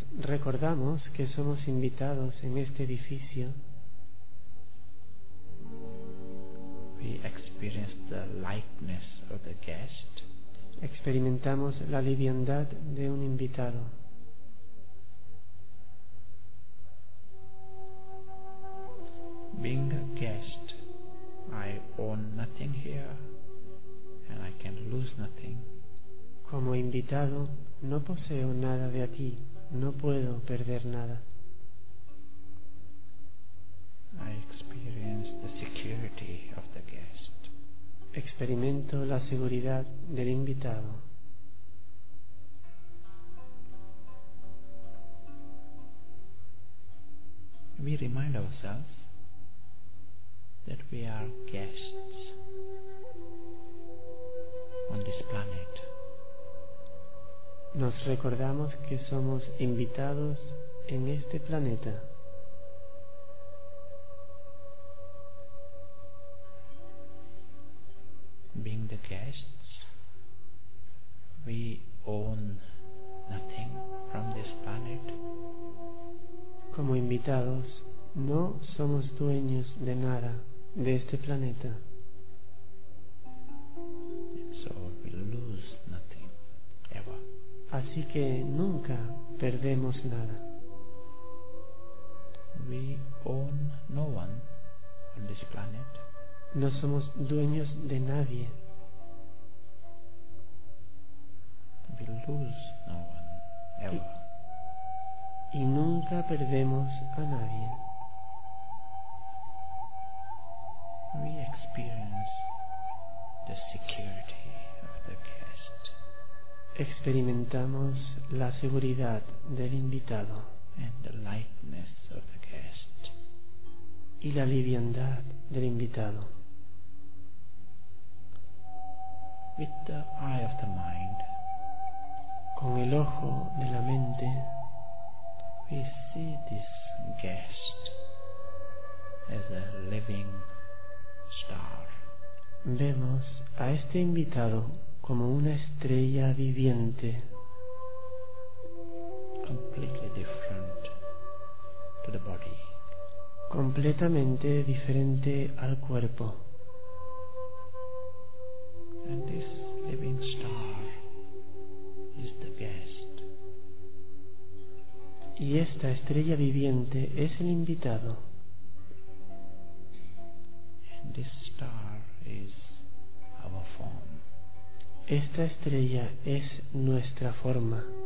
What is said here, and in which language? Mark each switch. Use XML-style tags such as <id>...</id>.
<es>Recordamos que somos invitados en este edificio.</es> <en>We experience the lightness of the guest.</en> <es>Experimentamos la liviandad de un invitado.</es> <en>Being a guest, I own nothing here and I can lose nothing.</en> <es>Como invitado, no poseo nada de a ti, no puedo perder nada.</es> <en>I experience the security of the guest.</en> <es>Experimento la seguridad del invitado.</es> <en>We remind ourselves that we are guests on this planet.</en> <es>Nos recordamos que somos invitados en este planeta.</es> <en>Being the guests, we own nothing from this planet.</en> <es>Como invitados, no somos dueños de nada de este planeta.</es> <en>So we lose nothing, ever.</en> <es>Así que nunca perdemos nada.</es> <en>We own no one on this planet.</en> <es>No somos dueños de nadie.</es> <en>We lose no one ever.</en> <es>Y nunca perdemos a nadie.</es> <en>We experience the security of the guest.</en> <es>Experimentamos la seguridad del invitado.</es> <en>And the lightness of the guest.</en> <es>Y la liviandad del invitado.</es> <en>With the eye of the mind.</en> <es>Con el ojo de la mente.</es> <en>We see this guest as a living star.</en> <es>Vemos a este invitado como una estrella viviente.</es> <en>Completely different to the body.</en> <es>Completamente diferente al cuerpo.</es> <en>And this living star is the guest.</en> <es>Y esta estrella viviente es el invitado.</es> <en>And this star is our form.</en> <es>Esta estrella es nuestra forma.</es>